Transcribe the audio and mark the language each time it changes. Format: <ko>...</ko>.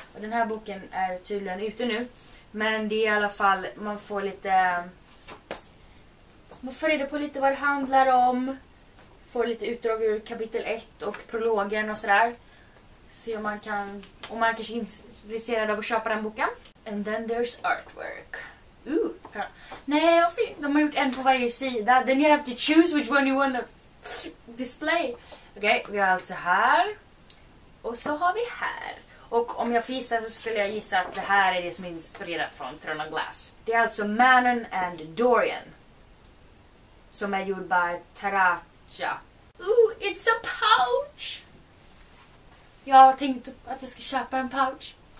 <sv>Och den här boken är tydligen ute nu. Men det är i alla fall, man får lite... Man får reda på lite vad det handlar om. Får lite utdrag ur kapitel 1 och prologen och sådär. Se om man kan... Om man kanske är intresserad av att köpa den boken.</sv> <en>And then there's artwork.</en> <sv>Ooh. Nej, de har gjort en på varje sida.</sv> <en>Then you have to choose which one you want to display.</en> <sv>Okej, vi har alltså här. Och så har vi här. Och om jag gissar så skulle jag gissa att det här är det som är inspirerat från Throne of Glass. Det är alltså Manon and Dorian. Som är gjord by Taraja. Ooh,</sv> <en>it's a pouch!</en> <sv>Jag har tänkt att jag ska köpa en pouch.</sv>